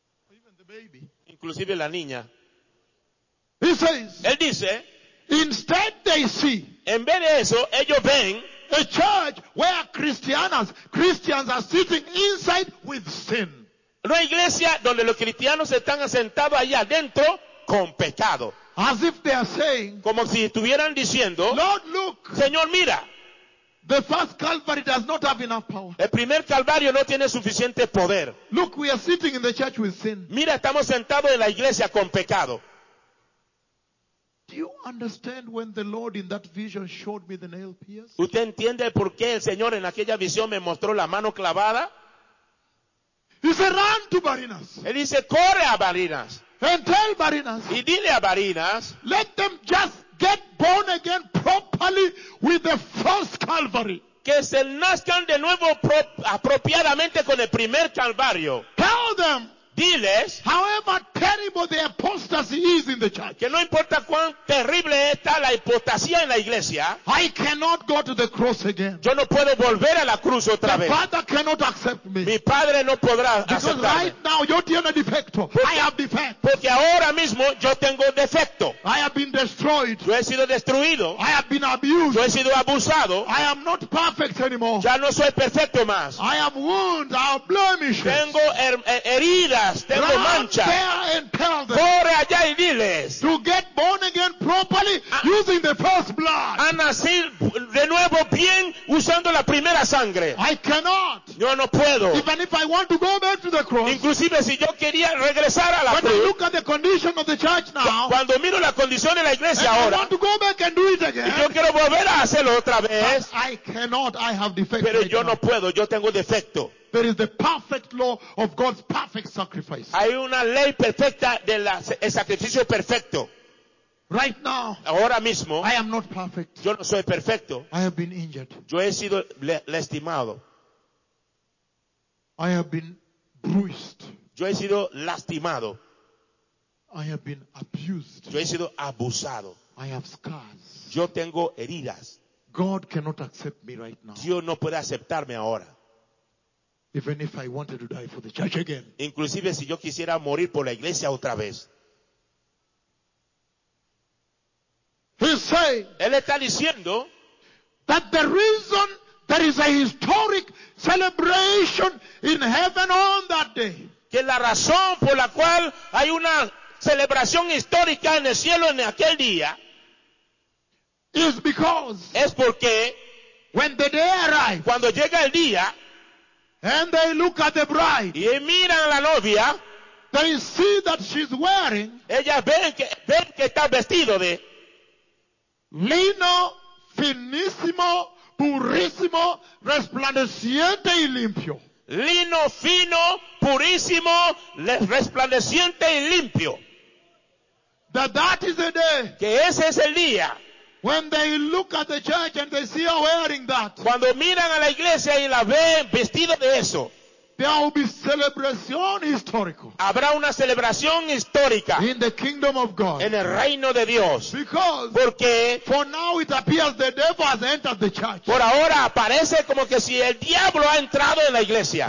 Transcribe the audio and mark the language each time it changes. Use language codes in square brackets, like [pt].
[en] Even the baby. [es] Inclusive la niña. [en] He says, [es] él dice, [en] instead they see, [es] en vez de eso, ellos ven, [en] a church where Christians are sitting inside with sin. [es] Una iglesia donde los cristianos están asentados allá adentro con pecado. [en] As if they are saying, [es] como si estuvieran diciendo, [en] Lord, look, [es] Señor, mira, [en] the first Calvary does not have enough power. [es] El primer Calvario no tiene suficiente poder. [en] Look, we are sitting in the church with sin. [es] Mira, estamos sentados en la iglesia con pecado. [en] Do you understand when the Lord in that vision showed me the nail pierced? [es] ¿Usted entiende por qué el Señor en aquella visión me mostró la mano clavada? [en] He said, run to Barinas. [es] Él dice, corre a Barinas. [en] And tell Barinas. [es] Y dile a Barinas. [en] Let them just get born again properly with the first Calvary. [es] Que se nazcan de nuevo apropiadamente con el primer Calvario. [en] Tell them. [es] Diles, [en] however terrible the apostasy is in the church, [es] que no importa cuán terrible está la apostasía en la iglesia, [en] I cannot go to the cross again. [es] Yo no puedo volver a la cruz otra [en] the [es] vez. [en] Father cannot accept me. [es] Mi padre no podrá [en] because [es] aceptarme. [en] Right now [es] yo tengo defecto. [en] I have defect. [es] Porque ahora mismo yo tengo defecto. [en] I have been destroyed. [es] Yo he sido destruido. [en] I have been abused. [es] Yo he sido abusado. [en] I am not perfect anymore. [es] Ya no soy perfecto más. [en] I have wounds. I have blemishes. [es] Tengo heridas. Tengo mancha. Corre allá y diles. [en] To get born again properly using the first blood. [es] A nacer de nuevo bien usando la primera sangre. [en] I cannot. [es] Yo no puedo. [en] Even if I want to go back to the cross. [es] Inclusive si yo quería regresar a la [en] cruz. [es] When I look at the condition of the church now. [en] Cuando miro la condición de la iglesia ahora. [es] I want to go back and do it again. [en] Y yo quiero volver a hacerlo otra vez. [es] But I cannot. I have defect. [en] Pero yo no puedo. Yo tengo defecto. [es] There is the perfect law of God's perfect sacrifice. [en] Hay una ley perfecta del sacrificio perfecto. [es] Right now, [en] ahora mismo, [es] I am not perfect. [en] Yo no soy perfecto. [es] I have been injured. [en] Yo he sido lastimado. [es] I have been bruised. [en] Yo he sido lastimado. [es] I have been abused. [en] Yo he sido abusado. [es] I have scars. [en] Yo tengo heridas. [es] God cannot accept me right now. [en] Dios no puede aceptarme ahora. [es] Even if I wanted to die for the church again. [en] Inclusive si yo quisiera morir por la iglesia otra vez. [es] He's saying, [en] él está diciendo, [es] that the reason there is a historic celebration in heaven on that day. [en] Que la razón por la cual hay una celebración histórica en el cielo en aquel día. [es] Is because. [en] Es porque. [es] When the day arrives. [en] Cuando llega el día. [es] And they look at the bride. [en] Y miran a la novia. They see that she's wearing. [es] Ella ven que está vestido de lino finísimo, purísimo, resplandeciente y limpio. Lino fino, purísimo, resplandeciente y limpio. [en] That is the day. [es] Que ese es el día. [en] When they look at the church and they see her wearing that. [es] Cuando miran a la iglesia y la ven vestida de eso. [en] There will be celebration historical. [es] Habrá una celebración histórica. [en] In the kingdom of God. [es] En el reino de Dios. [en] Because. [es] Porque. [en] For now it appears the devil has entered the church. [es] Por ahora aparece como que si el diablo ha entrado en la iglesia.